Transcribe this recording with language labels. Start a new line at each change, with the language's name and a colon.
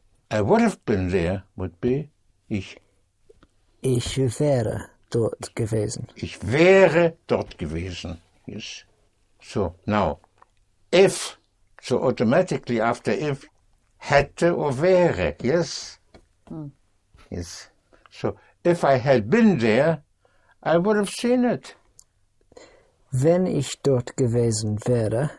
English: I would have been there, would be,
German: Ich wäre dort gewesen. ich wäre dort gewesen, yes.
English: So, now, if, so automatically after if, hätte or wäre, yes? Yes. So, if I had been there, I would have seen it.
German: Wenn ich dort gewesen wäre,